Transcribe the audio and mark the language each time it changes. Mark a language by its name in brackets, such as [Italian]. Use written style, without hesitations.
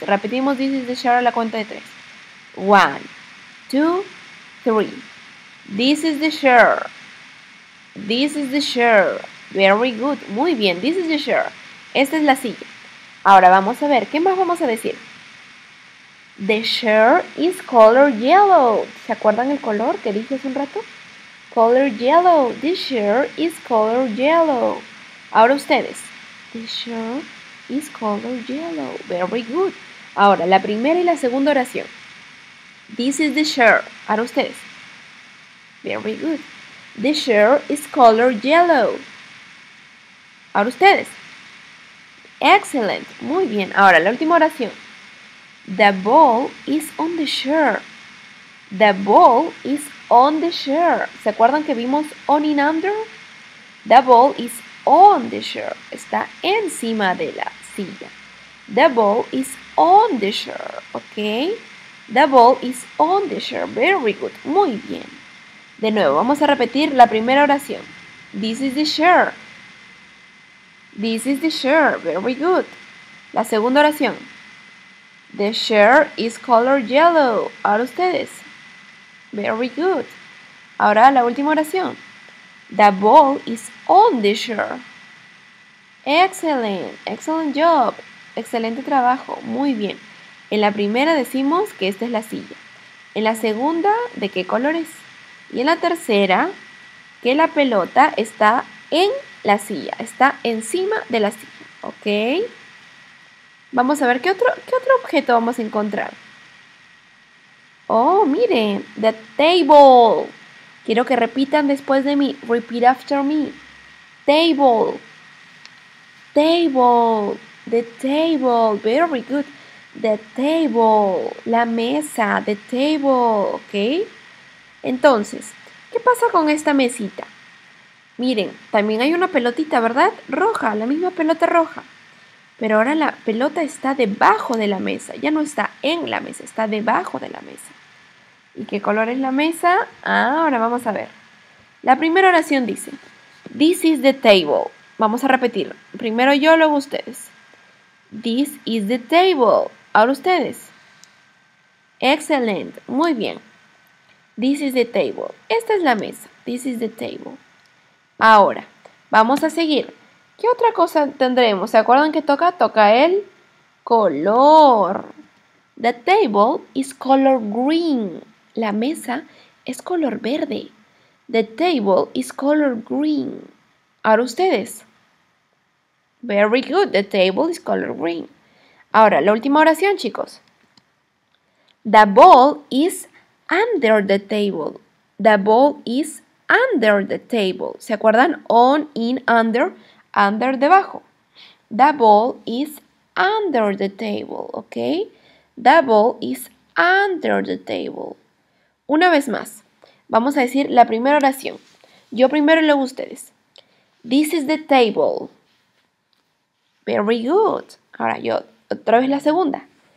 [Spanish] Repetimos [English] this is the chair [Spanish] a la cuenta de tres. [English] One, two, three. This is the chair. This is the chair. Very good. [Spanish] Muy bien. [English] This is the chair. [Spanish] Esta es la silla. Ahora vamos a ver. ¿Qué más vamos a decir? [English] The chair is color yellow. [Spanish] ¿Se acuerdan el color que dije hace un rato? [English] Color yellow. The chair is color yellow. [Spanish] Ahora ustedes. [English] The chair is color yellow. Very good. [Spanish] Ahora la primera y la segunda oración. [English] This is the chair. [Spanish] Ahora ustedes. [English] Very good. The chair is color yellow. [Spanish] Ahora ustedes. [English] Excellent. [Spanish] Muy bien. Ahora la última oración. [English] The ball is on the chair. The ball is on the chair. [Spanish] ¿Se acuerdan que vimos [English] on and under? The ball is on the chair. [Spanish] Está encima de la silla. [English] The ball is on the chair. ¿Ok? The ball is on the chair. Very good. [Spanish] Muy bien. De nuevo, vamos a repetir la primera oración. [English] This is the chair. This is the chair. Very good. [Spanish] La segunda oración. [English] The chair is color yellow. [Spanish] Ahora ustedes. [English] Very good. [Spanish] Ahora la última oración. [English] The ball is on the chair. Excellent. Excellent job. [Spanish] Excelente trabajo. Muy bien. En la primera decimos que esta es la silla. En la segunda, ¿de qué color es? Y en la tercera, que la pelota está en la silla, está encima de la silla, ¿ok? Vamos a ver, ¿qué otro objeto vamos a encontrar? Oh, miren, [English] the table. [Spanish] Quiero que repitan después de mí, [English] repeat after me. Table, table, the table, very good. The table, [Spanish] la mesa, [English] the table, ¿ok? [Spanish] Entonces, ¿qué pasa con esta mesita? Miren, también hay una pelotita, ¿verdad? Roja, la misma pelota roja. Pero ahora la pelota está debajo de la mesa. Ya no está en la mesa, está debajo de la mesa. ¿Y qué color es la mesa? Ah, ahora vamos a ver. La primera oración dice, [English] this is the table. [Spanish] Vamos a repetirlo. Primero yo, luego ustedes. [English] This is the table. [Spanish] Ahora ustedes. Excelente, muy bien. [English] This is the table. [Spanish] Esta es la mesa. [English] This is the table. [Spanish] Ahora, vamos a seguir. ¿Qué otra cosa tendremos? ¿Se acuerdan que toca? Toca el color. [English] The table is color green. [Spanish] La mesa es color verde. [English] The table is color green. [Spanish] Ahora ustedes. [English] Very good. The table is color green. [Spanish] Ahora, la última oración, chicos. [English] The ball is under the table. The ball is under the table. [Spanish] ¿Se acuerdan? [English] On, in, under, under, debajo. The ball is under the table, ¿ok? The ball is under the table. [Spanish] Una vez más, vamos a decir la primera oración. Yo primero y luego ustedes. [English] This is the table. Very good. [Spanish] Ahora yo, otra vez la segunda.